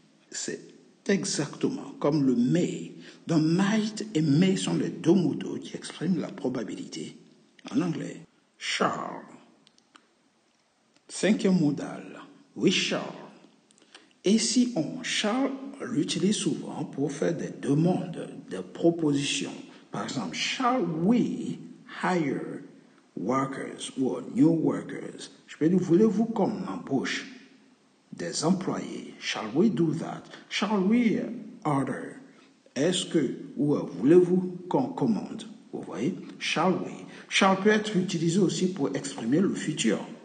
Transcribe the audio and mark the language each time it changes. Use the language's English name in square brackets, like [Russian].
[French] C'est exactement comme le may. Donc might et may sont les deux modaux qui expriment la probabilité. En anglais. Shall. Cinquième modal, [English] we shall. [French] Et si on shall, l'utilise souvent pour faire des demandes, des propositions. [English] Par exemple, shall we hire workers or new workers? [French] Je peux dire, voulez-vous qu'on embauche des employés? [English] Shall we do that? Shall we order? [French] Est-ce que, ou voulez-vous qu'on commande? Vous voyez, shall we. Shall peut être utilisé aussi pour exprimer le futur.